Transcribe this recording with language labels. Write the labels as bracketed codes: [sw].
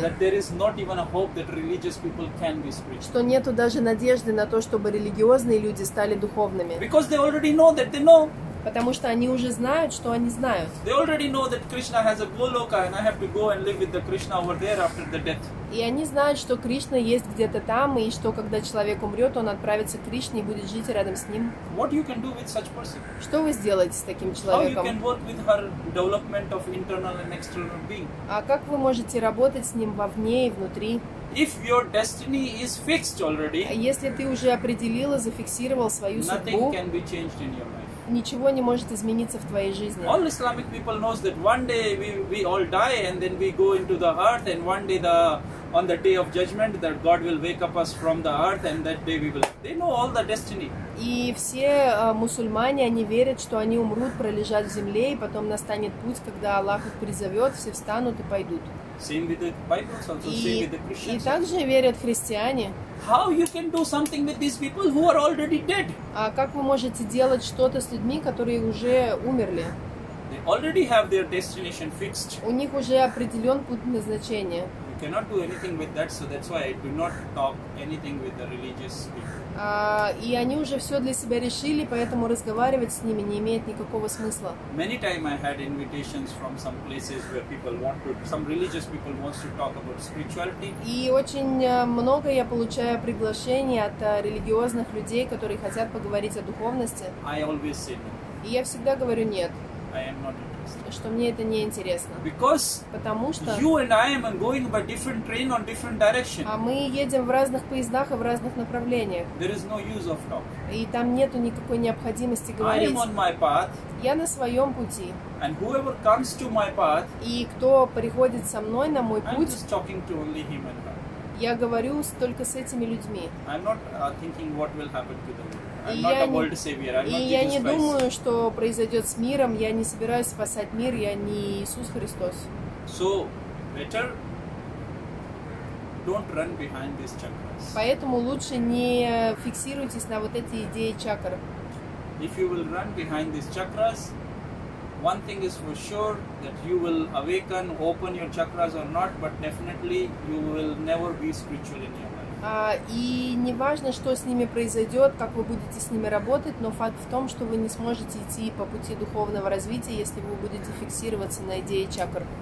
[en] That there is not even a hope that religious people can be spiritual. [ru] Что нету даже надежды на то, чтобы религиозные люди стали духовными. [en] Because they already know that they know. [ru] Потому что они уже знают, что они знают. [en] They already know that Krishna has a Goloka and I have to go and live with the Krishna over there after the death. [ru] И они знают, что Кришна есть где-то там, и что когда человек умрет, он отправится к Кришне и будет жить рядом с ним. [en] What you can do with such person? [ru] Что вы сделаете с таким человеком? [en] How you can work with her development of internal and external being? [ru] А как вы можете работать с ним вовне и внутри? [en] If your destiny is fixed already, [ru] а если ты уже определил и зафиксировал свою [en] nothing [ru] судьбу, [en] can be changed in your life. [ru] Ничего не может измениться в твоей жизни. [en] All Islamic people knows that one day we all die and then we go into the earth and one day the on the day of judgment that God will wake up us from the earth and that day we will. They know all the destiny. [ru] И все мусульмане, они верят, что они умрут, пролежат в земле и потом настанет путь, когда Аллах их призовет, все встанут и пойдут. [en] Same with the Bible, also same with the Christians. [ru] И также верят христиане. [en] How you can do something with these people who are already dead? [ru] А как вы можете делать что-то с людьми, которые уже умерли? [en] They already have their destination fixed. [ru] У них уже определен путь назначения. [en] You cannot do anything with that, so that's why I do not talk anything with the religious people. [ru] И они уже все для себя решили, поэтому разговаривать с ними не имеет никакого смысла. [en] Many time I had invitations from some places where people want to, some religious people wants to talk about spirituality. [ru] И очень много я получаю приглашений от религиозных людей, которые хотят поговорить о духовности. [en] I always say no. [ru] И я всегда говорю нет. [en] I am not interested. [ru] Что мне это не интересно. [en] Because [ru] потому что [en] you and I am going by different train on different direction. [ru] А мы едем в разных поездах и в разных направлениях. [en] There is no use of talk. [ru] И там нету никакой необходимости говорить. [en] I am on my path. [ru] Я на своем пути. [en] And whoever comes to my path. [ru] И кто приходит со мной на мой путь. [en] I'm just talking to only him and her. [ru] Я говорю только с этими людьми. [en] I'm not thinking what will happen to them. [ru] И я не думаю, что произойдет с миром. Я не собираюсь спасать мир. Я не Иисус Христос. [en] So, better don't run behind these chakras. [ru] Поэтому лучше не фиксируйтесь на вот эти идеи чакр. [en] If you will run behind these chakras, one thing is for sure that you will awaken, open your chakras or not, but definitely you will never be spiritual in your life. [ru] И не важно, что с ними произойдет, как вы будете с ними работать, но факт в том, что вы не сможете идти по пути духовного развития, если вы будете фиксироваться на идее чакр.